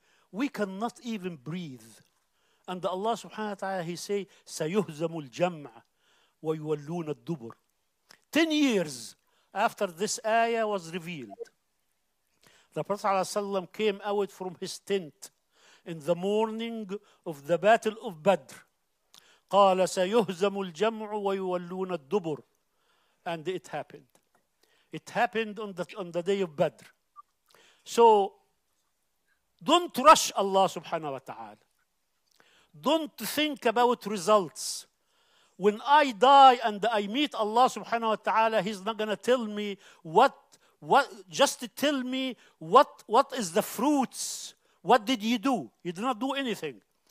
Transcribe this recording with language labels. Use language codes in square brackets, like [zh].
[en] We cannot even breathe. And Allah subhanahu wa ta'ala, he say, [ar] سَيُهْزَمُ الْجَمْعَ وَيُوَلُّونَ الدُّبُرِ. [en] 10 years after this ayah was revealed, the Prophet ﷺ came out from his tent in the morning of the Battle of Badr. [ar] قال سيهزم الجمع ويولون الدبر. [en] And it happened. It happened on the day of Badr. So don't rush Allah subhanahu wa ta'ala. Don't think about results. When I die and I meet Allah subhanahu wa ta'ala, he's not going to tell me what is the fruits. What did you do? You did not do anything.